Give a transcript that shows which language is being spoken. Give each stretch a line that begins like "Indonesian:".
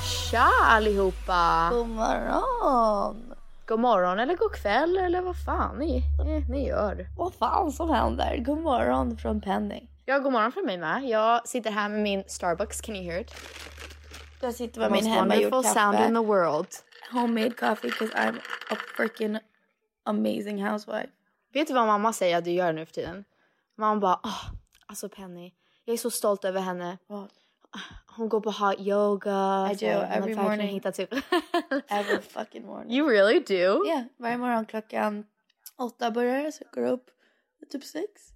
Swedish: Tja allihopa! God morgon! God morgon eller god kväll eller vad fan ni gör. Vad fan som händer? God morgon från Penny. Ja, god morgon från mig med. Jag sitter här med min Starbucks,
English: can you hear it?
Swedish: Jag sitter med min hemmagjord kaffe.
English: Most wonderful sound in the world. Homemade coffee because I'm a freaking amazing housewife.
Swedish: Vet du vad mamma säger att du gör nu för tiden? Mamma bara, oh, alltså Penny, jag är så stolt över henne. Vad? Hon går på hot yoga.
English: I do, every morning. Every fucking morning. You really do?
Swedish: Yeah, varje morgon klockan 8 börjar jag, så går upp typ 6.